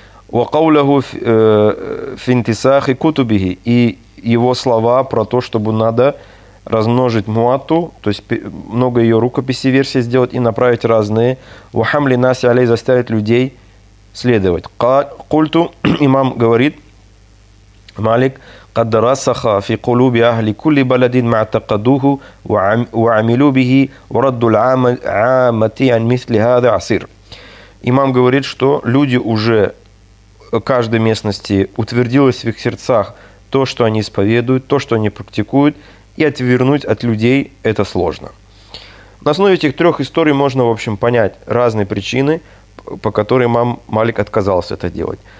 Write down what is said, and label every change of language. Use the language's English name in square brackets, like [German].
[Arabic] Ва кавлаху финтисахи кутубихи. [Russian] И его слова про то, чтобы надо размножить муату, то есть много ее рукописей версий сделать и направить разные. [Arabic] Ва хамли наси алей, [Russian] заставить людей следовать. [Arabic] Культу [Russian] имам говорит, [Arabic] Малик, قد رسخ في قلوب أهل كل بلد ما اعتقدوه وعملوا به ورد العامة عن مثل هذا عصير. [Russian] Имам говорит, что люди уже в каждой местности утвердилось в их сердцах то, что они исповедуют, то, что они практикуют, и отвернуть от людей это сложно. На основе этих трех историй можно, в общем, понять разные причины, по которым имам Малик отказался это делать.